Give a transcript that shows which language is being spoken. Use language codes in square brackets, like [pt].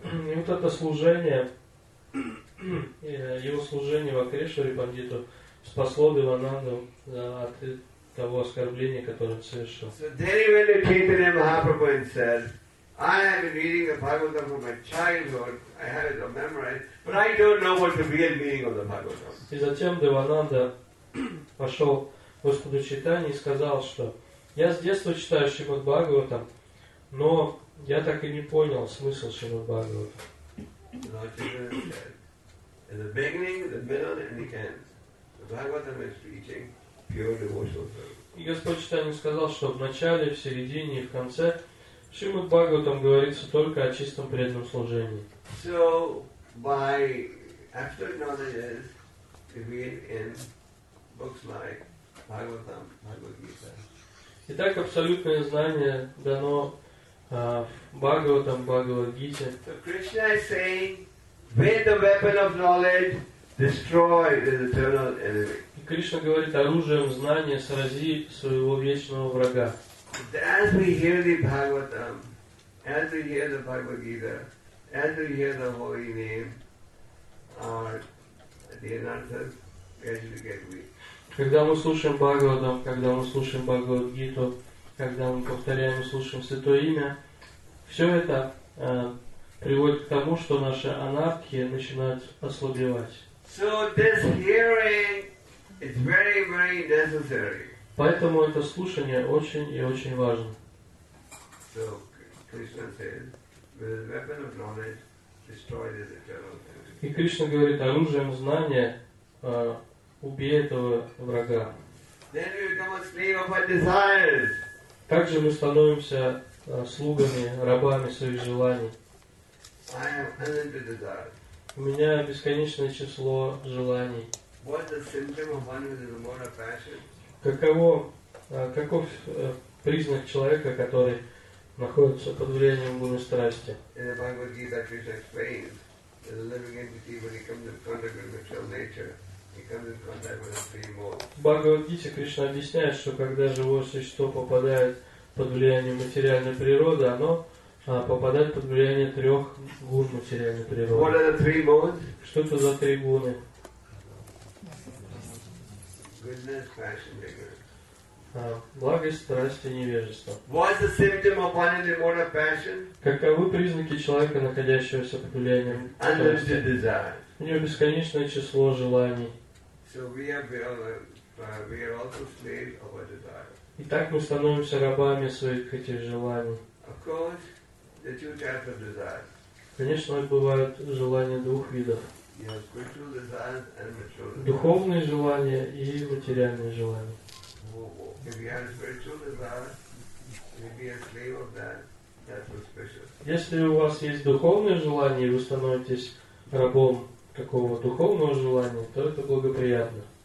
[ru] И вот это служение, его служение Вакришваре Пандиту спасло Девананду от того оскорбления, которое он совершил. [en] So then he went to Chaitanya Mahaprabhu and said, I have been reading the Bhagavatam from my childhood, I have it memorized, but I don't know what the real meaning of the Bhagavatam. [ru] И затем Девананда пошел к Господу Чайтанье и сказал, что я с детства читаю Шримад Бхагаватам, но я так и не понял смысл Шримад Бхагаватам. [en] In the beginning, the middle, and the end, the Bhagavatam is teaching pure devotional service. [ru] И Господь Чайтанья сказал, что в начале, в середине и в конце Шримад Бхагаватам говорится только о чистом преданном служении. [en] So by absolute knowledge is revealed in books like Bhagavatam, Bhagavad Gita. [ru] Итак, абсолютное знание дано Бхагаватам, Бхагавад Гите. [en] So Krishna is saying, with the weapon of knowledge, destroy the eternal enemy. [ru] И Кришна говорит, оружием знания срази своего вечного врага. [en] As we hear the Bhagavatam, as we hear the Bhagavad Gita, as we hear the holy name, our dhyanasas gradually get weak. [ru] Когда мы слушаем Бхагаватам, когда мы слушаем Бхагавад Гиту, когда мы повторяем и слушаем Святое Имя, все это приводит к тому, что наши анартхи начинают ослабевать. [en] So this hearing is very, very necessary. [ru] Поэтому это слушание очень и очень важно. [en] So Krishna said, with the weapon of knowledge, destroy this eternal enemy. [ru] И Кришна говорит, оружием знания убей этого врага. [en] Then we become a slave of our desires. [ru] Также мы становимся слугами, рабами своих желаний. [en] I have unlimited desires. [ru] У меня бесконечное число желаний. [en] What is the symptom of unlimited amount of passion? [ru] Каков признак человека, который находится под влиянием гуны страсти? [en] In the Bhagavad Gita, Krishna explains that a living entity, when he comes in contact with material nature, [ru] в Бхагавад-гите Кришна объясняет, что когда живое существо попадает под влияние материальной природы, оно попадает под влияние трех гун материальной природы. [en] What are the three modes? [ru] Что это за три гуны? [en] Goodness, passion, ignorance. [ru] Благость, страсть и невежество. [en] What is the symptom of unlimited amount of passion? [ru] Каковы признаки человека, находящегося под влиянием страсти? У него бесконечное число желаний. [en] So we are also slaves of our desires. [ru] Итак, мы становимся рабами своих этих желаний. [en] Of course, there are two types of desires. [ru] Конечно, бывают желания двух видов. [en] You have spiritual desires and material desires. [ru] Духовные желания и материальные желания. [en] If you have spiritual desires, you'll be a slave of that. [ru] Если у вас есть духовное желание, и вы становитесь рабом какого духовного желания, то это благоприятно.